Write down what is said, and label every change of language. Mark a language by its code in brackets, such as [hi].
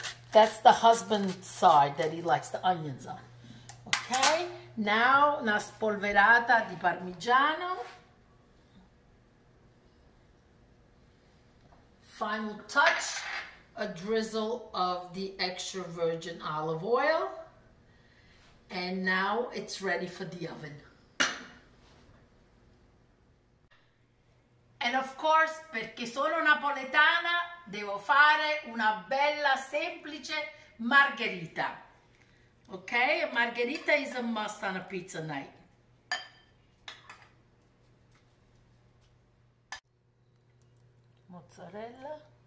[en] That's the husband's side that he likes the onions on. Okay, now [it] una spolverata di parmigiano. [en] Final touch, a drizzle of the extra virgin olive oil. And now it's ready for the oven. And of course, [it] perché sono napoletana, devo fare una bella semplice margherita. [en] Okay, a margherita is a must on a pizza night. Mozzarella.